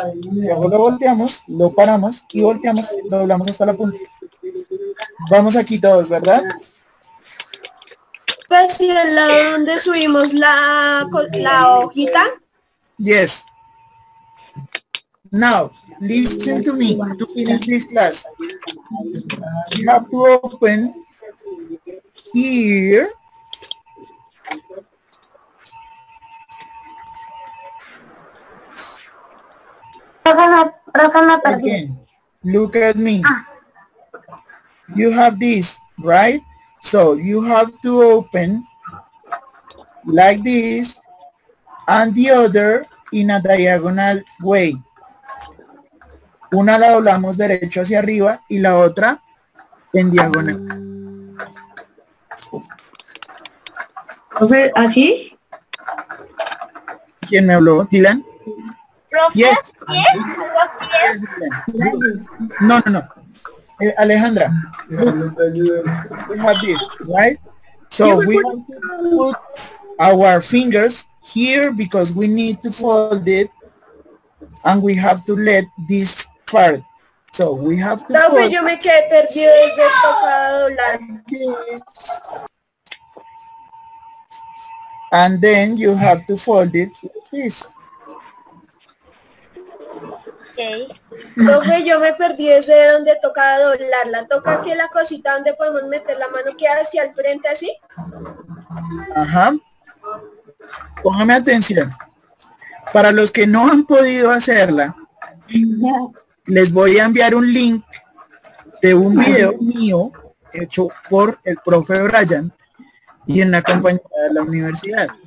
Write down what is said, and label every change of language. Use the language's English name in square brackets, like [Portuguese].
[Spanish] Luego lo volteamos, lo paramos y volteamos, lo doblamos hasta la punta. Vamos aquí todos, ¿verdad? Pues sí, el lado donde subimos la hojita. [English] Yes. Now, listen to me to finish this class. You have to open here. [Spanish] Profe, me perdí. [English] Look at me. You have this, right? So you have to open like this and the other in a diagonal way. [Spanish] Una la doblamos derecho hacia arriba y la otra en diagonal. Profe, ¿así? ¿Quién me habló? ¿Dylan? ¿Profe? [English] Yes. ¿Yes? No, no, no. Alejandra, we have this, right? So we have to put our fingers here because we need to fold it and we have to let this part. So we have to fold. [Spanish] Profe, yo me quedé perdido desde el tocado. [English] And then you have to fold it like this. Okay. [Spanish] Profe, yo me perdí desde donde toca doblarla. Toca aquí la cosita donde podemos meter la mano, queda hacia el frente así. Ajá. Póngame atención. Para los que no han podido hacerla, les voy a enviar un link de un video mío hecho por el profe Brian y en la compañía de la universidad.